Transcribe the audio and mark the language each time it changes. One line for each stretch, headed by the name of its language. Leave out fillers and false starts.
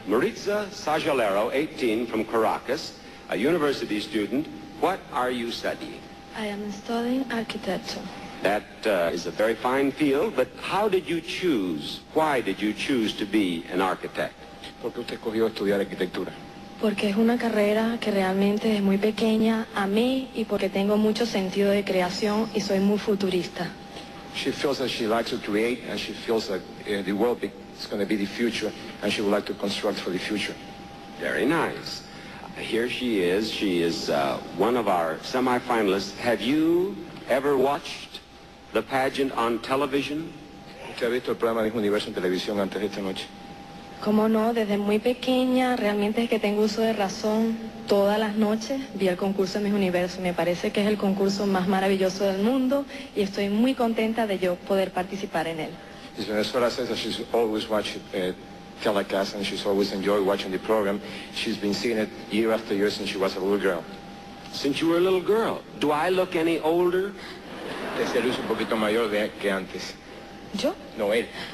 English: Maritza Sayalero, 18, from Caracas, a university student. What are you studying? I am studying architecture. That is a very fine field, but how did you choose, why did you choose to be an architect?
Spanish: ¿Por qué usted escogió estudiar arquitectura? Porque es una carrera que realmente es muy pequeña a mí y porque tengo mucho sentido de creación y soy muy futurista.
English: She feels that she likes to create and she feels that the world is going to be the future and she would like to construct for the future. Very nice. Here she is. She is one of our semi-finalists. Have you ever watched the pageant on television?
Spanish: ¿Usted ha visto el programa de Universo en televisión antes esta noche? Como no, desde muy pequeña, realmente es que tengo uso de razón. Todas las noches vi el concurso de Miss Universo. Me parece que es el concurso más maravilloso del mundo y estoy muy contenta de yo poder participar en él.
English: Miss Venezuela says that she's always watched telecast and she's always enjoyed watching the program. She's been seeing it year after year since she was a little girl. Since you were a little girl, do I look any older?
Spanish: Te saludo un poquito mayor que antes. ¿Yo? No, él.